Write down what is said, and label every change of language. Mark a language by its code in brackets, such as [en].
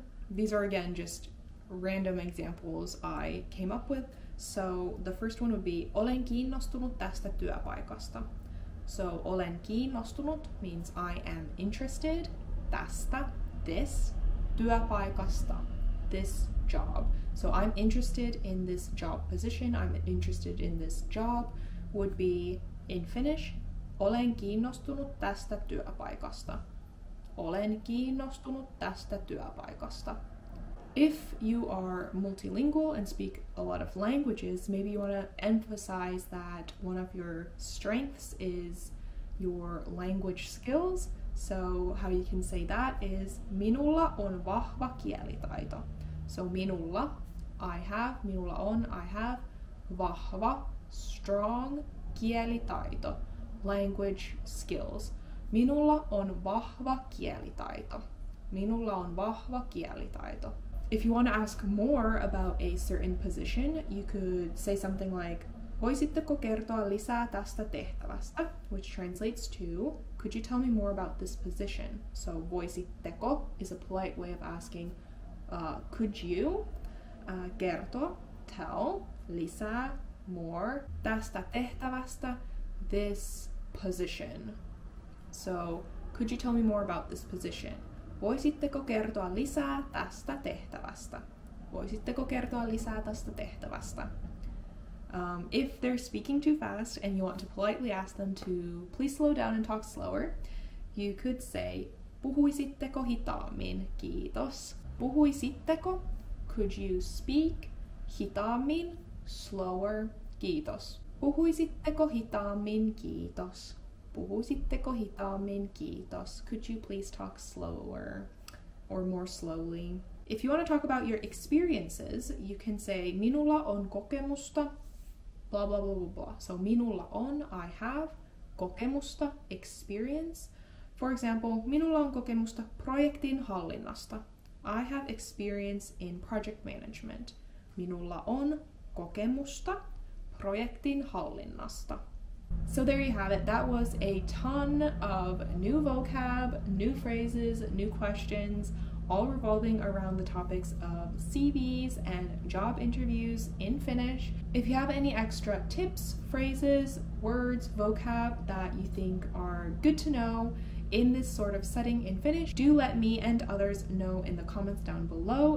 [en] These are again just random examples I came up with. So the first one would be, [fi] olen kiinnostunut tästä työpaikasta. [en] So [fi] olen kiinnostunut [en] means I am interested, [fi] tästä, [en] this, [fi] työpaikasta, [en] this job. So I'm interested in this job position, I'm interested in this job, would be in Finnish, [fi] olen kiinnostunut tästä työpaikasta. Olen kiinnostunut tästä työpaikasta. [en] If you are multilingual and speak a lot of languages, maybe you want to emphasize that one of your strengths is your language skills. So how you can say that is, [fi] minulla on vahva kielitaito. [en] So [fi] minulla on, [en] I have, [fi] vahva, [en] strong, [fi] kielitaito, [en] language skills. [fi] Minulla on vahva kielitaito. Minulla on vahva kielitaito. [en] If you want to ask more about a certain position, you could say something like, [fi] voisitteko kertoa lisää tästä tehtävästä? [en] Which translates to, could you tell me more about this position? So, [fi] voisitteko [en] is a polite way of asking, could you [fi] kertoa, [en] tell, [fi] lisää, [en] more, [fi] tästä tehtävästä, [en] this position. So, could you tell me more about this position? [fi] Voisitteko kertoa lisää tästä tehtävästä? Voisitteko kertoa lisää tästä tehtävästä? [en] If they're speaking too fast and you want to politely ask them to please slow down and talk slower, you could say, [fi] puhuisitteko hitaammin, kiitos. Puhuisitteko, [en] could you speak, [fi] hitaammin, [en] slower, [fi] kiitos. Puhuisitteko hitaammin, kiitos. Puhuisitteko hitaammin, kiitos. [en] Could you please talk slower or more slowly? If you want to talk about your experiences, you can say, [fi] minulla on kokemusta, [en] blah, blah, blah, blah, blah. So, [fi] minulla on, [en] I have, [fi] kokemusta, [en] experience. For example, [fi] minulla on kokemusta projektin hallinnasta. [en] I have experience in project management. [fi] Minulla on kokemusta projektin hallinnasta. [en] So there you have it. That was a ton of new vocab, new phrases, new questions, all revolving around the topics of CVs and job interviews in Finnish. If you have any extra tips, phrases, words, vocab that you think are good to know in this sort of setting in Finnish, do let me and others know in the comments down below.